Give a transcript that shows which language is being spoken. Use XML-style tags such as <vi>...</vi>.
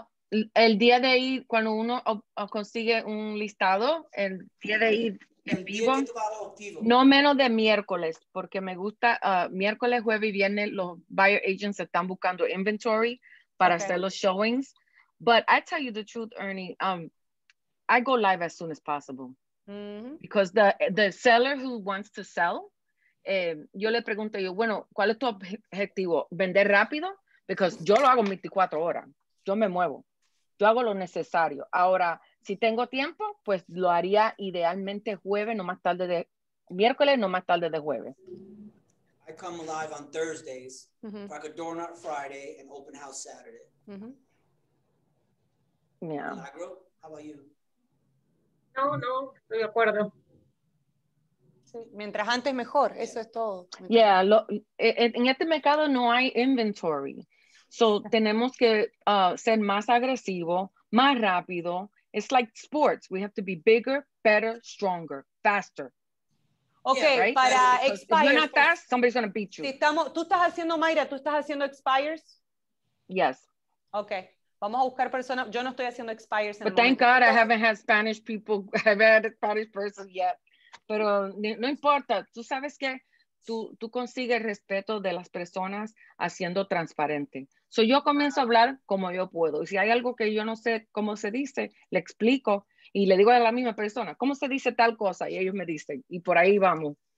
<es>No, el día de ir, cuando uno consigue un listado, el día de ir en vivo, no menos de miércoles, porque me gusta, miércoles, jueves y viernes, los</es> <en>buyer agents</en> <es>están buscando inventory para hacer los showings.</es> <en>But I tell you the truth, Ernie, I go live as soon as possible. Because the seller who wants to sell,</en> <es>yo le pregunto yo, bueno, ¿cuál es tu objetivo? ¿Vender rápido?</es> <en>Because</en> <es>yo lo hago 24 horas, yo me muevo, yo hago lo necesario. Ahora, si tengo tiempo, pues lo haría idealmente jueves, no más tarde de miércoles, no más tarde de jueves.</es> <en>I come alive on Thursdays, like a door knock Friday and open house Saturday. Yeah. Milagro, how about you?</en> <es>No, no, estoy de acuerdo. Sí, mientras antes mejor, eso es todo.</es> <en>Yeah,</en> <es>en este mercado no hay inventory.</es> <en>So</en> <es>tenemos que ser más agresivo, más rápido.</es> <en>It's like sports. We have to be bigger, better, stronger, faster. Okay, yeah, right?</en> <es>Para</es> <en>expires. If you're not fast, somebody's going to beat you.</en> <es>Si estamos, tú estás haciendo, Mayra, tú estás haciendo expires?</es> <en>Yes.</en> <es>Okay. Vamos a buscar personas. Yo no estoy haciendo expires.</es> <en>But thank God I haven't had Spanish people. I haven't had a Spanish person yet.</en> <es>Pero no importa. Tú sabes que tú consigues el respeto de las personas haciendo transparente.</es> <en>So</en> <es>yo comienzo a hablar como yo puedo. Y si hay algo que yo no sé cómo se dice, le explico y le digo a la misma persona, ¿cómo se dice tal cosa? Y ellos me dicen, y por ahí vamos.</es>